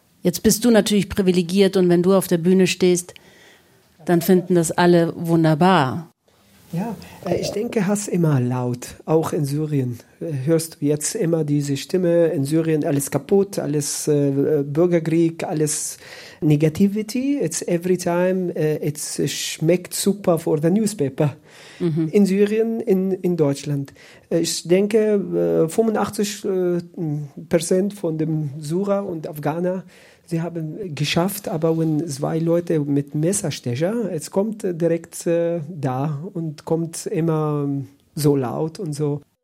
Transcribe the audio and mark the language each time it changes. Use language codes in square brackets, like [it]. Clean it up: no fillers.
[de] Jetzt bist du natürlich privilegiert und wenn du auf der Bühne stehst, dann finden das alle wunderbar. Ja, ich denke, Hass immer laut, auch in Syrien. Hörst du jetzt immer diese Stimme, in Syrien alles kaputt, alles Bürgerkrieg, alles Negativity. [en] It's every time, it [de] schmeckt super [en] for the newspaper. [de] Mhm. In Syrien, in Deutschland. Ich denke, 85% von dem Syrer und Afghaner, sie haben geschafft, aber wenn zwei Leute mit Messerstecher, es kommt direkt da und kommt immer so laut und so.